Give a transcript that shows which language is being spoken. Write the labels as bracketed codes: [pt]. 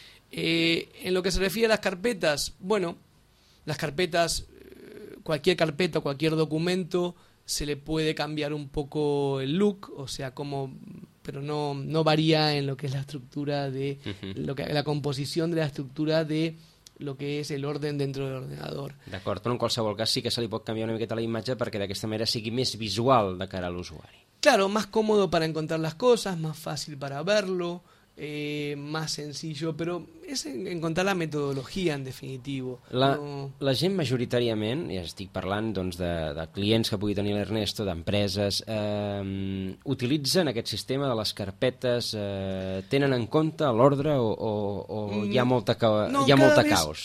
[es] En lo que se refiere a las carpetas, bueno, las carpetas, cualquier carpeta, cualquier documento, se le puede cambiar un poco el look, o sea, como, pero no varía en lo que es la estructura de lo que la composición de la estructura de lo que es el orden dentro del ordenador. [ca] D'acord, però en qualsevol cas sí que se li pot canviar una miqueta la imatge perquè d'aquesta manera sigui més visual de cara a l'usuari. [es] Claro, más cómodo para encontrar las cosas, más fácil para verlo, más sencillo, pero es encontrar la metodología en definitivo. [ca] La gent majoritàriament, ja estic parlant doncs de clients que pugui tenir l'Ernesto, d'empreses, utilitzen aquest sistema de les carpetes, tenen en compte l'ordre o hi ha molta caos?